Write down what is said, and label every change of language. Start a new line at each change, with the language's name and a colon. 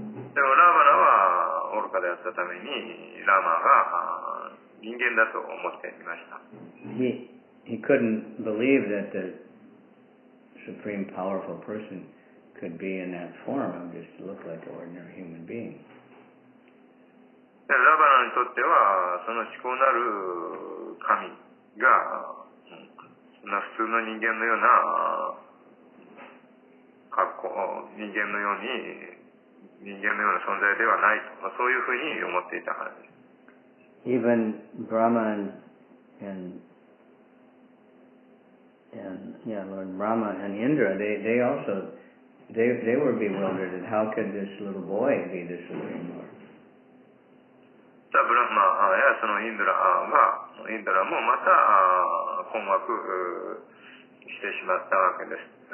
English: He couldn't believe that the supreme powerful person could be in that form and just look like an ordinary human being.
Japanese: Ravana にとっては、その至高なる神が普通の人間のような格好、人間のように、人間のような存在ではないと、まあ、そういうふうに思っていたからです。
English: Even Brahma Lord Brahma and Indra, they also, they were bewildered at how could this little boy be the Supreme Lord?
Japanese: ブラマやそのインドラは、インドラもまた、困惑してしまったわけです。